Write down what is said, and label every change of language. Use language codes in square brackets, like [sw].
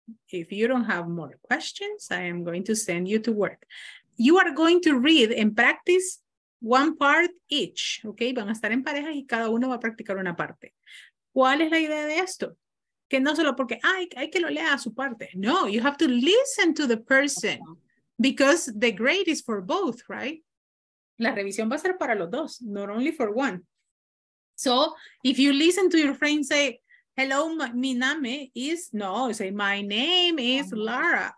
[en] If you don't have more questions, I am going to send you to work. You are going to read and practice one part each, okay? [es] Van a estar en parejas y cada uno va a practicar una parte. ¿Cuál es la idea de esto? Que no solo porque hay que lo lea a su parte. [en] No, you have to listen to the person because the grade is for both, right? [es] La revisión va a ser para los dos, [en] not only for one. So if you listen to your friend say, hello, mi name is, no, say, my name is Lara.